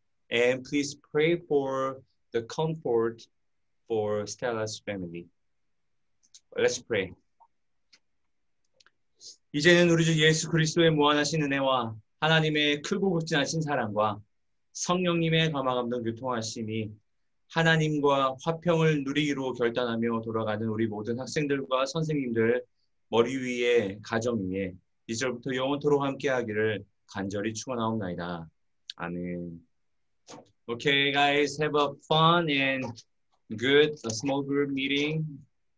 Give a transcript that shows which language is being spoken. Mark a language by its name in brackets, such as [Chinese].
[English] And please pray for the comfort for Stella's family. Let's pray. [Korean] 이제는 우리 주 예수 그리스도의 무한하신 은혜와 하나님의 크고 극진하신 사랑과 성령님의 감화감동 교통하심이 하나님과 화평을 누리기로 결단하며 돌아가는 우리 모든 학생들과 선생님들 머리 위에 가정 위에 이제부터 영원토록 함께하기를 간절히 축원하옵나이다. 아멘. [English] Okay, guys, have a fun and good small group meeting.